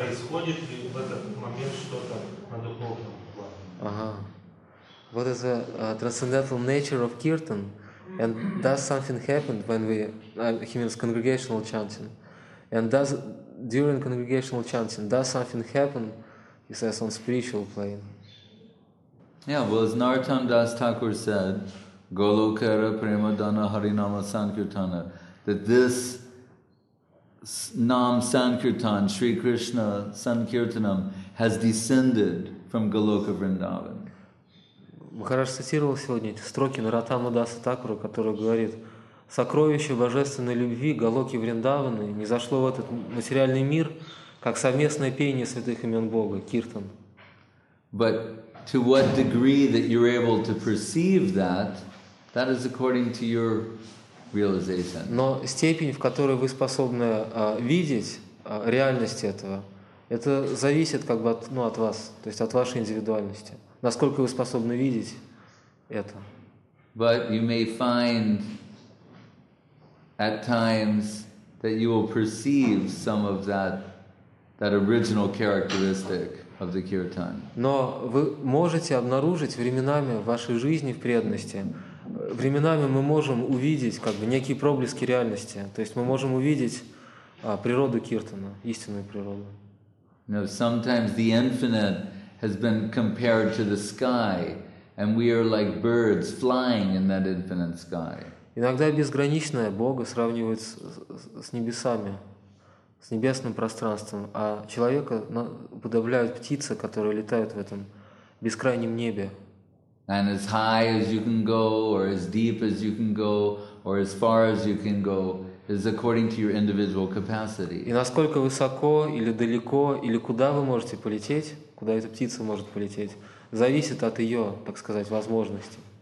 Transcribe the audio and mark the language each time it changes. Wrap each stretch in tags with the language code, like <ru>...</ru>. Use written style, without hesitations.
<ru>Происходит ли в этот момент что-то на духовном плане?</ru> <en>Ага. What is the transcendental nature of kirtan? And does something happen when we, he means congregational chanting? And does, during congregational chanting, does something happen, he says, on spiritual plane? Yeah, well, as Narottam Das Thakur said, Golokara Premadana Harinama Sankirtana, that this Nam Sankirtan, Sri Krishna Sankirtanam, has descended from Goloka Vrindavan.</en> <ru>Махарадж цитировал сегодня эти строки Наратама Даса Такура, который говорит: «Сокровище божественной любви Голоки Вриндаваны не зашло в этот материальный мир, как совместное пение святых имен Бога, киртан».</ru> <en>But to what degree that you're able to perceive that, that is according to your realization.</en> <ru>Но степень, в которой вы способны видеть реальность этого, это зависит как бы от, ну, от вас, то есть от вашей индивидуальности. Насколько вы способны видеть это?</ru> <en>But you may find at times that you will perceive some of that original characteristic of the kirtan.</en> <ru>Но вы можете обнаружить временами в вашей жизни в преданности. Временами мы можем увидеть как бы некие проблески реальности. То есть мы можем увидеть природу киртана, истинную природу.</ru> <en>Now sometimes the infinite has been compared to the sky, and we are like birds flying in that infinite sky.</en> <ru>Иногда безграничное Бога сравнивают с небесами, с небесным пространством, а человека подавляют птицы, которые летают в этом бескрайнем небе.</ru> <en>And as high as you can go, or as deep as you can go, or as far as you can go, is according to your individual capacity.</en> <ru>И насколько высоко или далеко или куда вы можете полететь? Куда эта птица может полететь, зависит от ее, так сказать, возможности.</ru>